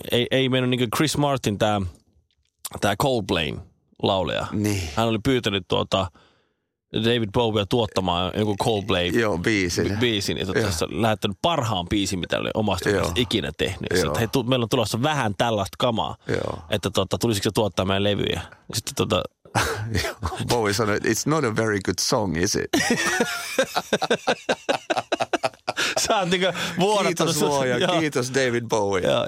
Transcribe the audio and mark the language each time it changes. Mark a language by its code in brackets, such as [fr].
[fi] Ei mennyt niin kuin Chris Martin, tämä Coldplayn laulaja. Niin. Hän oli pyytänyt David Bowie tuottamaan joku Coldplay biisin. Ja tässä lähettänyt parhaan biisin, mitä oli omasta ikinä tehnyt. Sitten, hei, meillä on tulossa vähän tällaista kamaa, että tulisiko se tuottaa meidän levyjä. Sitten Bowie sanoi, [en] it's not a very good song, is it? [fi] Sä oot niinku vuodattanut. Kiitos luoja, kiitos David Bowie.